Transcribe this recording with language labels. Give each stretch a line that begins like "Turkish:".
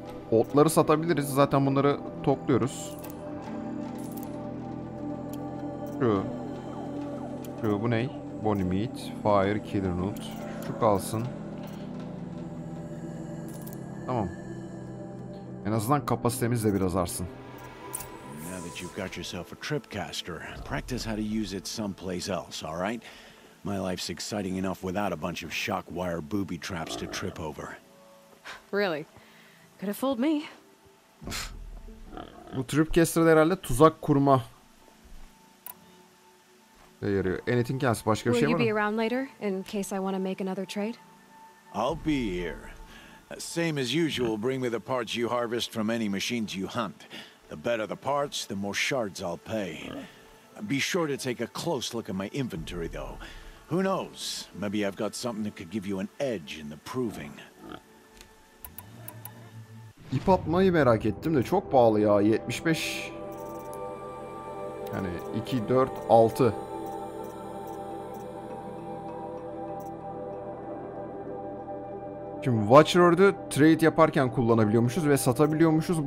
Turkish: Otları satabiliriz. Zaten bunları topluyoruz. Şu. Bu ne? Bony Meat. Fire Killer Nut. Şu kalsın. Tamam. En azından kapasitemiz de biraz artsın.
English: Now that you've got yourself a tripcaster, practice how to use it someplace else, all right? My life's exciting enough without a bunch of shock wire booby traps to trip over. Really? Could have fooled me.
Turkish: Bu tripcaster herhalde tuzak kurma. Ne yarıyor?
English: Anything else?
Turkish: Başka bir şey var mı?
English: Will you be around later in case I want to make another trade? I'll be here. Same as usual, bring me the parts you harvest from any machines you hunt. The better the parts, the more shards I'll pay. Be sure to take a close look at my inventory though. Who knows? Maybe I've got something that could give you an edge in the proving.
Turkish: İp atmayı merak ettim de çok pahalı ya. 75. Yani 2 4 6. Şimdi Watcher'ı trade yaparken kullanabiliyormuşuz ve satabiliyormuşuz.